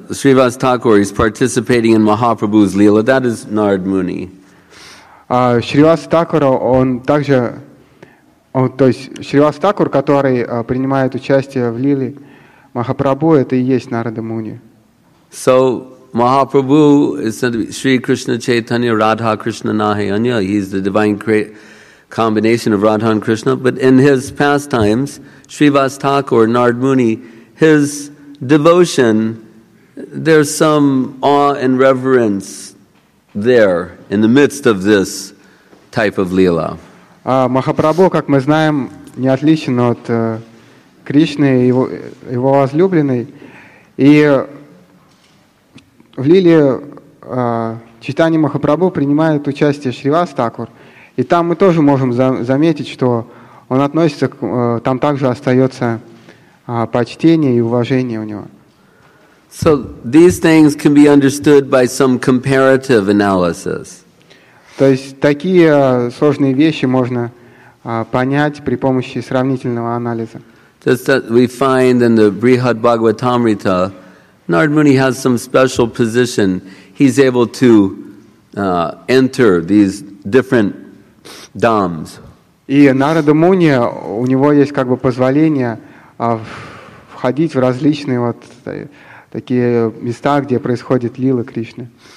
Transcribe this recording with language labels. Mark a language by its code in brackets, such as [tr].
[en] Srivas Thakur is participating in Mahaprabhu's Leela. That is Narad Muni. [ru] Srivas Thakur, он также, он, то есть Srivas Thakur, который принимает участие в Лиле Махапрабху, это и есть Нарада Муни. [en] So Mahaprabhu is said to be Sri Krishna Chaitanya Radha Krishna Nahi Anya. He's the divine combination of Radha and Krishna. But in his pastimes, Srivas Thakur, Narad Muni, his devotion, there's some awe and reverence there in the midst of this type of Leela. [ru] Mahaprabhu, как мы знаем, не отличен от Кришны и его возлюбленной. И в Лиле читании Махапрабху принимает участие Шривас Такур. И там мы тоже можем заметить, что он относится к, там также остается почтение и уважение у него. [en] So these things can be understood by some comparative analysis. [ru] То есть такие сложные вещи можно понять при помощи сравнительного анализа. [en] Just that we find in the Brihad Bhagavatamrita, Narad Muni has some special position. He's able to enter these different dhams. [ru] И Нарада Муни, у него есть как бы позволение входить в различные вот такие места, где происходит лила Кришны.